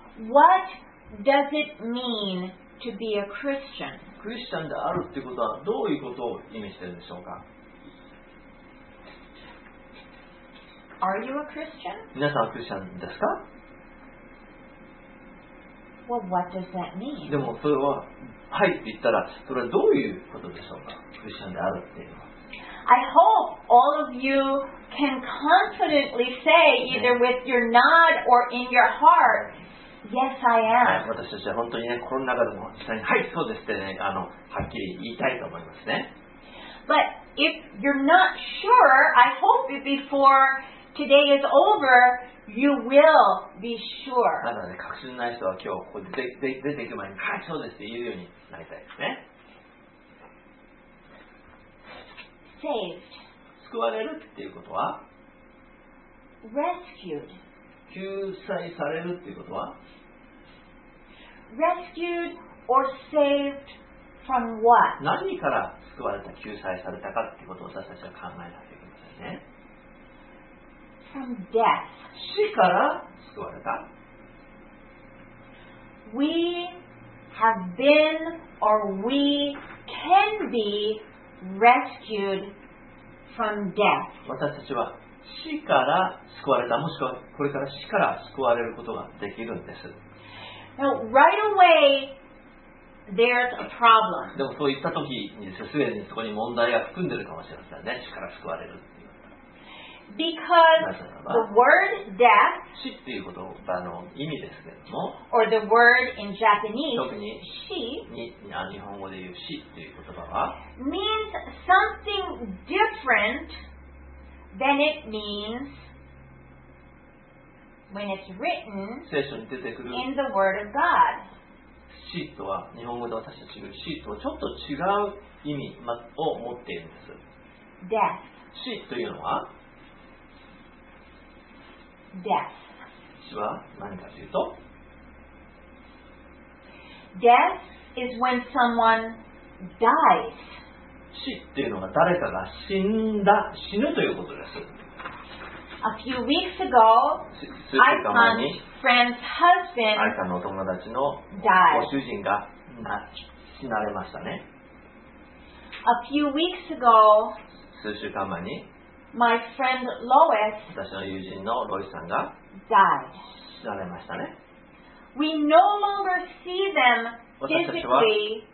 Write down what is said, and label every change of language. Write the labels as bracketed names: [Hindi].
[English] What does it mean to be a Christian? [Japanese] クリスチャンであるってことはどういうことを意味しているでしょうか? [English] Are you a Christian? [Japanese] 皆さんはクリスチャンですか? [English] Well, what does that mean? [Japanese] でもそれは、はいって言ったら、それはどういうことでしょうか? クリスチャンであるっていうのは。 [English] I hope all of you can confidently say, either with your nod or in your heart, yes, I am. [Japanese] はい、私たちは本当にね、この中でも実際に、はい、そうですってね、はっきり言いたいと思いますね。 [English] But if you're not sure, I hope that before today is over, you will be sure. [Japanese] まだね、確信ない人は今日ここで出ていく前に、はい、そうですって言うようになりたいですね。 [English] Saved. [Japanese] 救われるっていうことは [English] Rescued. [Japanese] 救済されるっていうことは [English] Rescued or saved from what? [Japanese] 何から救われた、救済されたかっていうことを私たちは考えなきゃいけませんね。 [English] From death. [Japanese] 死から救われた。 [English] We have been or we can be rescued. From death. [Japanese] 私たちは死から救われた、もしくはこれから死から救われることができるんです。 [English] Now, right away, there's a problem. [Japanese] でもそういったときに、すでにそこに問題が含んでいるかもしれませんね。死から救われるっていう。 [English] Because the word death, [Japanese] 死っていう言葉の意味ですけれども、 [English] or the word in Japanese, [Japanese] 特に死に、日本語で言う死っていう言葉は、 [English] means something different than it means when it's written [Japanese] 聖書に出てくる [English] in the word of God. [Japanese] 死とは、日本語で私たちが言う死とはちょっと違う意味を持っているんです。 [English] death. [Japanese] 死というのは、 [English] Death. [Japanese] 死は何かというと [English] Death is when someone dies. [Japanese] 死っていうのは誰かが死んだ、死ぬということです。 [English] A few weeks ago, Aika's friend's husband died. [Japanese] Aika のお友達のご主人が死なれましたね。 [English] A few weeks ago, [Japanese] 数週間前に [English] My friend Lois [Japanese] 私の友人のロイさんが [English] died. [Japanese] 死なれましたね。 [English] We no longer see them physically here,